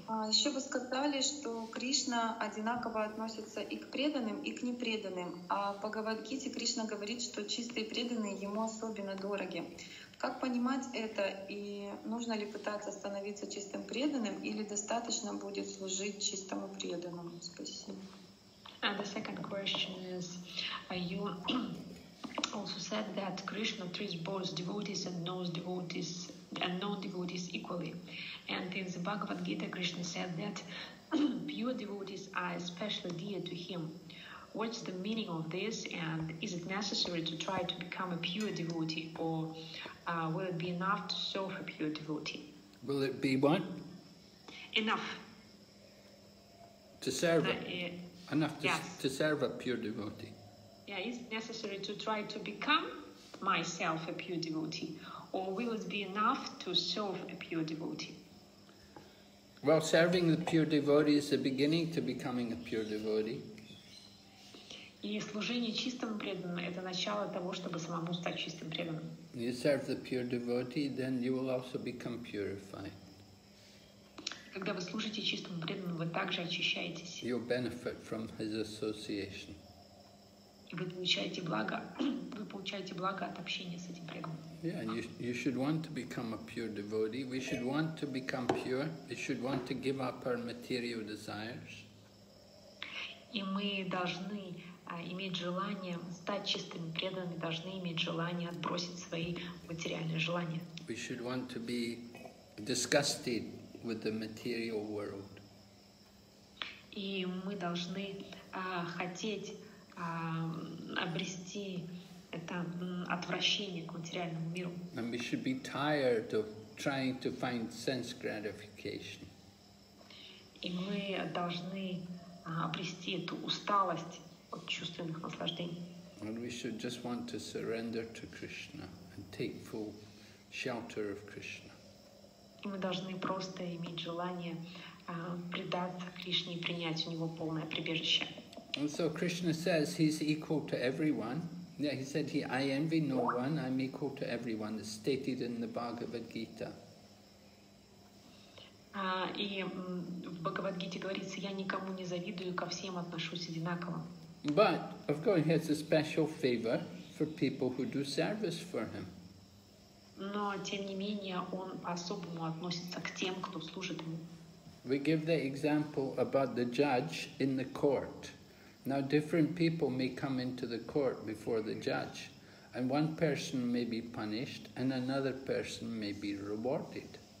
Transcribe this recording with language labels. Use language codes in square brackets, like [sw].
[ru] Еще вы сказали, что Кришна одинаково относится и к преданным, и к непреданным. А в Бхагавад-гите Кришна говорит, что чистые преданные ему особенно дороги. Как понимать это? И нужно ли пытаться становиться чистым преданным, или достаточно будет служить чистому преданному? Спасибо. [en] And the second question is, you also said that Krishna treats both devotees and non-devotees and non-devotees equally. And in the Bhagavad Gita, Krishna said that pure devotees are especially dear to him. What's the meaning of this, and is it necessary to try to become a pure devotee, or will it be enough to serve a pure devotee? Will it be what? Enough. To serve him? To serve a pure devotee. Yeah, is it necessary to try to become myself a pure devotee, or will it be enough to serve a pure devotee? Well, serving the pure devotee is the beginning to becoming a pure devotee. [ru] И служение чистому преданному – это начало того, чтобы самому стать чистым преданным. [en] You serve the pure devotee, then you will also become purified. [ru] Когда вы служите чистому преданному, вы также очищаетесь. [en] You benefit from his association. [ru] И вы получаете благо. Вы получаете благо от общения с этим преданным. [en] Yeah, and you should want to become a pure devotee. We should want to become pure. We should want to give up our material desires. [ru] И мы должны иметь желание стать чистыми преданными, должны иметь желание отбросить свои материальные желания. [en] We should want to be disgusted with the material world. [ru] И мы должны хотеть обрести это отвращение к материальному миру. [en] And we should be tired of trying to find sense gratification. [ru] И мы должны обрести эту усталость от чувственных наслаждений. [en] And we should just want to surrender to Krishna and take full shelter of Krishna. [ru] И мы должны просто иметь желание предаться Кришне и принять у него полное прибежище. [en] And so Krishna says he's equal to everyone. Yeah, he said I envy no one, I'm equal to everyone. It's stated in the Bhagavad Gita. [ru] И в Бхагавад Гите говорится, я никому не завидую, ко всем отношусь одинаково. [en] But, of course, he has a special favor for people who do service for him. [ru] Но, тем не менее, он по-особому относится к тем, кто служит ему. [en] We give the example about the judge in the court. Now, different people may come into the court before the judge, and one person may be punished, and another person may be rewarded.